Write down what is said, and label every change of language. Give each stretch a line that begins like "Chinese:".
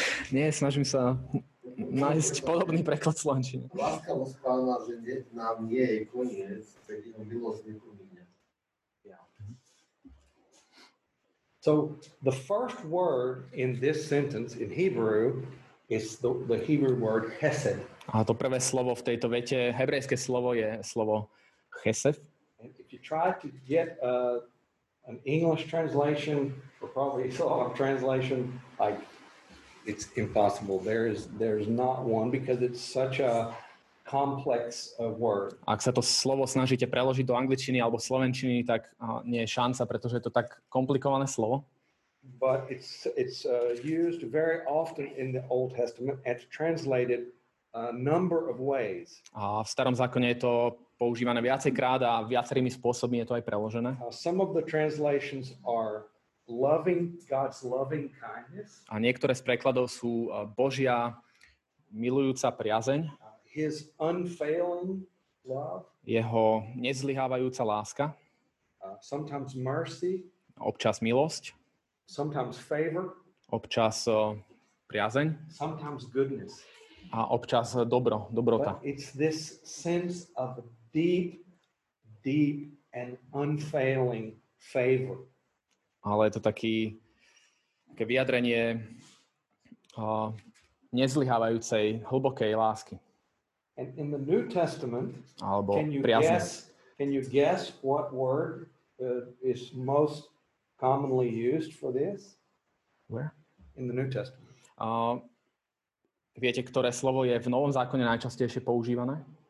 Slovak: Nie, snažím sa nájsť podobný preklad slovenčiny. Láskavosť Pána, že nám nie je koniec, tak jeho milosť nepomíňa.
English: So, the first word in this sentence in Hebrew is the Hebrew word hesed.
Slovak: A to prvé slovo v tejto vete, hebrejské slovo je slovo chesef.
English: And if you try to get an English translation or probably Slavic translation, it's impossible. There's not one because it's such a complex word.
Slovak: Ak sa to slovo snažíte preložiť do angličtiny alebo slovenčiny, tak nie je šanca, pretože je to tak komplikované slovo.
English: But it's used very often in the Old Testament and translated a number of ways.
Slovak: A v starom zákone je to používané viacejkrát a viacerými spôsobmi je to aj preložené.
English: Some of the translations are loving, God's loving kindness.
Slovak: A niektoré z prekladov sú Božia milujúca priazeň.
English: His unfailing love.
Slovak: Jeho nezlyhávajúca láska.
English: Sometimes mercy.
Slovak: Občas milosť.
English: Sometimes favor.
Slovak: Občas priazeň.
English: Sometimes goodness.
Slovak: A občas dobro, dobrota.
English: But it's this sense of deep, deep and unfailing favor.
Slovak: Ale je to také vyjadrenie nezlyhávajúcej hlbokej lásky.
English: And in the New Testament,
Slovak: alebo
English: can you guess what word is most commonly used for this? Where? In the New Testament.
Slovak: Viete, ktoré slovo je v Novom zákone najčastejšie používané?